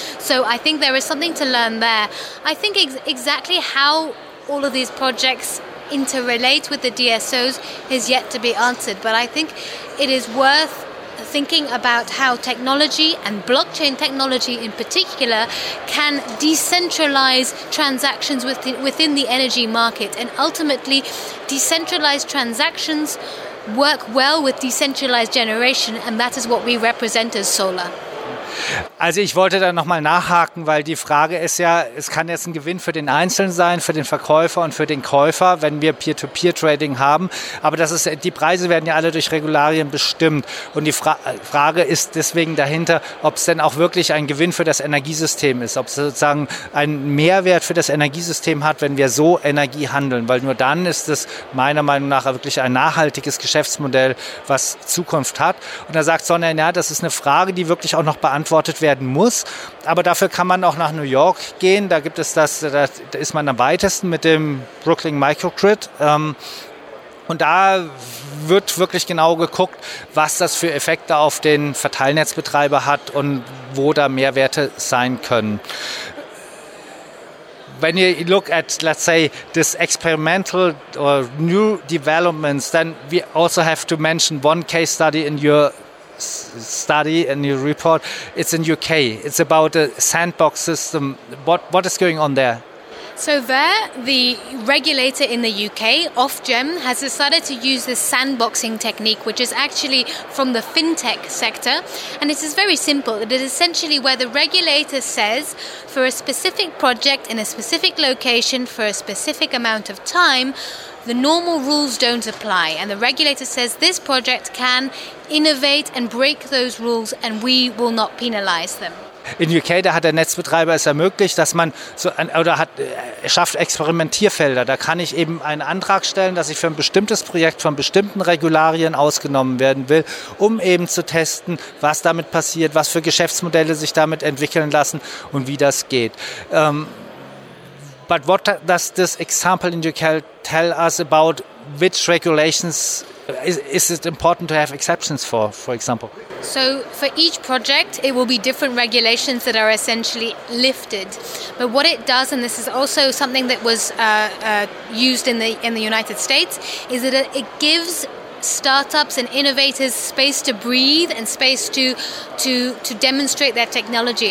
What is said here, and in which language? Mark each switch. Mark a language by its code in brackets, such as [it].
[en] So I think there is something to learn there. I think exactly how all of these projects interrelate with the DSOs is yet to be answered, but I think it is worth thinking about how technology and blockchain technology in particular can decentralize transactions within the energy market, and ultimately decentralized transactions work well with decentralized generation, and that is what we represent as solar. [de] Also ich wollte da nochmal nachhaken, weil die Frage ist ja, es kann jetzt ein Gewinn für den Einzelnen sein, für den Verkäufer und für den Käufer, wenn wir Peer-to-Peer-Trading haben, aber das ist, die Preise werden ja alle durch Regularien bestimmt und die Frage ist deswegen dahinter, ob es denn auch wirklich ein Gewinn für das Energiesystem ist, ob es sozusagen einen Mehrwert für das Energiesystem hat, wenn wir so Energie handeln, weil nur dann ist es meiner Meinung nach wirklich ein nachhaltiges Geschäftsmodell, was Zukunft hat. Und da sagt Sonja, ja, das ist eine Frage, die wirklich auch noch beantwortet werden muss. Aber dafür kann man auch nach New York gehen. Da gibt es das, da ist man am weitesten mit dem Brooklyn Microgrid. Und da wird wirklich genau geguckt, was das für Effekte auf den Verteilnetzbetreiber hat und wo da Mehrwerte sein können. [en] When you look at, let's say, this experimental or new developments, then we also have to mention one case study in your study and your report. It's in UK. It's about a sandbox system. What is going on there? So there, the regulator in the UK, Ofgem, has decided to use this sandboxing technique, which is actually from the fintech sector. And it is very simple. It is essentially where the regulator says, for a specific project in a specific location for a specific amount of time, the normal rules don't apply. And the regulator says this project can innovate and break those rules and we will not penalize them. [de] In UK, da hat der Netzbetreiber es ermöglicht, dass man so ein, oder hat, schafft Experimentierfelder. Da kann ich eben einen Antrag stellen, dass ich für ein bestimmtes Projekt von bestimmten Regularien ausgenommen werden will, um eben zu testen, was damit passiert, was für Geschäftsmodelle sich damit entwickeln lassen und wie das geht. [en] But what does this example in UK tell us about which regulations is it important to have exceptions for example? So for each project, it will be different regulations that are essentially lifted. But what it does, and this is also something that was used in the United States, is that it gives startups and innovators space to breathe and space to demonstrate their technology.